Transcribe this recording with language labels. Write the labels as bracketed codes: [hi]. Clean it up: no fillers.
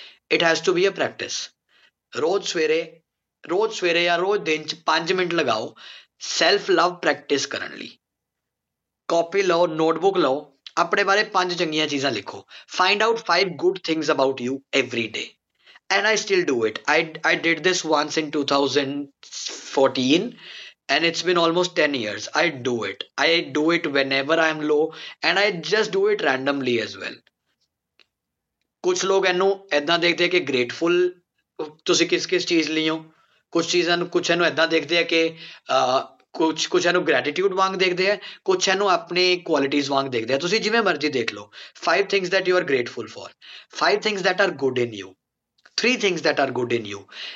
[en] It has to be a practice. [pa] ਰੋਜ਼ ਸਵੇਰੇ ਜਾਂ ਰੋਜ਼ ਦਿਨ 'ਚ 5 ਮਿੰਟ ਲਗਾਓ ਸੈਲਫ ਲਵ ਪ੍ਰੈਕਟਿਸ ਕਰਨ ਲਈ। ਕਾਪੀ ਲਓ, ਨੋਟਬੁੱਕ ਲਓ, ਆਪਣੇ ਬਾਰੇ 5 ਚੰਗੀਆਂ ਚੀਜ਼ਾਂ ਲਿਖੋ। [en] Find out 5 good things about you every day, and I still do it. I did this once in 2014, And it's been almost 10 years. I do it whenever I'm low, and I just do it randomly as well. [pa] ਕੁਛ ਲੋਕ ਇਹਨੂੰ ਇੱਦਾਂ ਦੇਖਦੇ ਆ ਕਿ grateful ਤੁਸੀਂ ਕਿਸ ਕਿਸ ਚੀਜ਼ ਲਈ ਹੋ, ਕੁਛ ਚੀਜ਼ਾਂ ਨੂੰ, ਕੁਛ ਇਹਨੂੰ ਇੱਦਾਂ ਦੇਖਦੇ ਆ ਕਿ ਕੁਛ ਕੁਛ ਇਹਨੂੰ ਗ੍ਰੈਟੀਟਿਊਡ ਵਾਂਗ ਦੇਖਦੇ ਆ, ਕੁਛ ਇਹਨੂੰ ਆਪਣੀ ਕੁਆਲਿਟੀਜ਼ ਵਾਂਗ ਦੇਖਦੇ ਆ. ਤੁਸੀਂ ਜਿਵੇਂ ਮਰਜ਼ੀ ਦੇਖ ਲਓ, [en] Five things that you are grateful for, five things that are good in you, three things that are good in you.